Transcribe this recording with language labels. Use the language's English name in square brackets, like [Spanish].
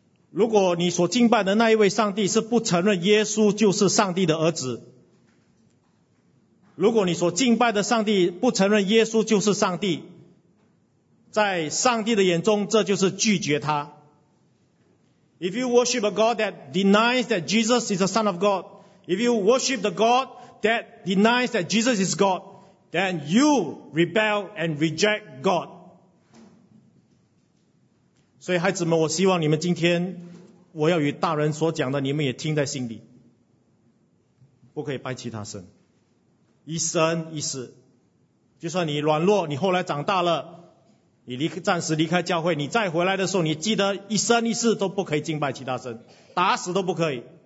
[Chinese] 如果你所敬拜的那一位上帝是不承认耶稣就是上帝的儿子，如果你所敬拜的上帝不承认耶稣就是上帝，在上帝的眼中这就是拒绝他。 [English] If you worship a God that denies that Jesus is the Son of God, if you worship the God that denies that Jesus is God, then you rebel and reject God。 [Chinese] 所以孩子们，我希望你们今天我要与大人所讲的你们也听在心里，不可以拜其他神，一生一世，就算你软弱，你后来长大了，你暂时离开教会，你再回来的时候，你记得一生一世都不可以敬拜其他神，打死都不可以。